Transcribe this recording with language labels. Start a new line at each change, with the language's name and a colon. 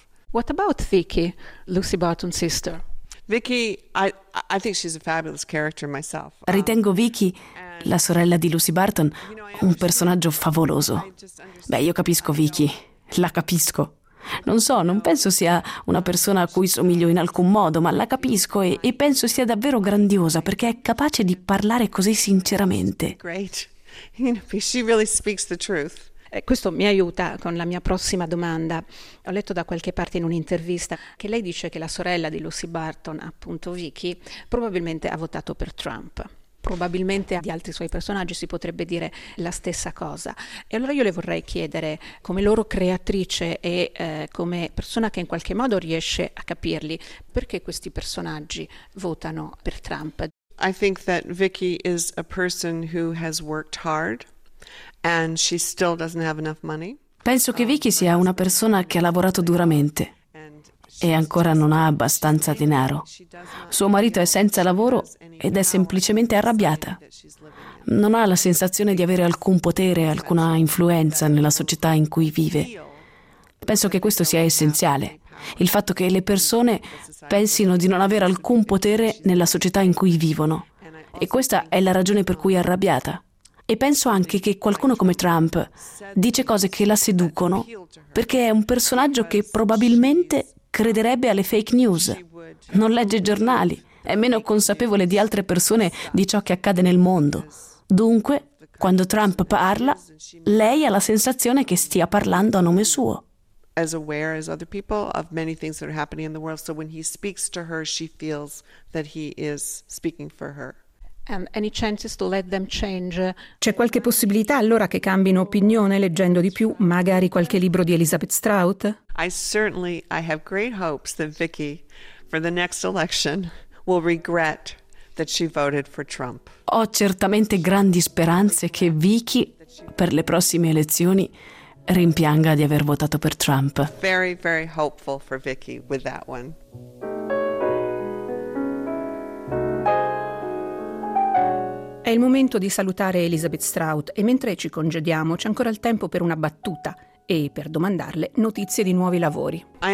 English: What about Vicky, Lucy Barton's sister? Vicky, I think she's a fabulous character myself.
Italian: Ritengo Vicky, la sorella di Lucy Barton, un personaggio favoloso. Beh, io capisco Vicky, la capisco. Non so, non penso sia una persona a cui somiglio in alcun modo, ma la capisco e penso sia davvero grandiosa perché è capace di parlare così sinceramente.
English: Great. You know, she really speaks the truth.
Italian: Questo mi aiuta con la mia prossima domanda. Ho letto da qualche parte in un'intervista che lei dice che la sorella di Lucy Barton, appunto Vicky, probabilmente ha votato per Trump. Probabilmente di altri suoi personaggi si potrebbe dire la stessa cosa. E allora io le vorrei chiedere, come loro creatrice e come persona che in qualche modo riesce a capirli, perché questi personaggi votano per Trump? I think that Vicky is a person who has worked hard and she still doesn't have enough money. Penso che Vicky sia una persona che ha lavorato duramente e ancora non ha abbastanza denaro. Suo marito è senza lavoro ed è semplicemente arrabbiata. Non ha la sensazione di avere alcun potere, alcuna influenza nella società in cui vive. Penso che questo sia essenziale, il fatto che le persone pensino di non avere alcun potere nella società in cui vivono. E questa è la ragione per cui è arrabbiata. E penso anche che qualcuno come Trump dice cose che la seducono perché è un personaggio che probabilmente crederebbe alle fake news. Non legge giornali, è meno consapevole di altre persone di ciò che accade nel mondo. Dunque, quando Trump parla, lei ha la sensazione che stia parlando a nome suo.
English: As aware as other people of many things that are happening in the world, so when he speaks to her, she feels that he is speaking for her. Any chances to let them change?
Italian: C'è qualche possibilità allora che cambino opinione leggendo di più, magari qualche libro di Elizabeth Strout?
English: I have great hopes that Vicky, for the next election, will regret that she voted for Trump.
Italian: Ho certamente grandi speranze che Vicky, per le prossime elezioni, rimpianga di aver votato per Trump.
English: Very, very hopeful for Vicky with that one.
Italian: È il momento di salutare Elizabeth Strout e mentre ci congediamo c'è ancora il tempo per una battuta e per domandarle notizie di nuovi lavori.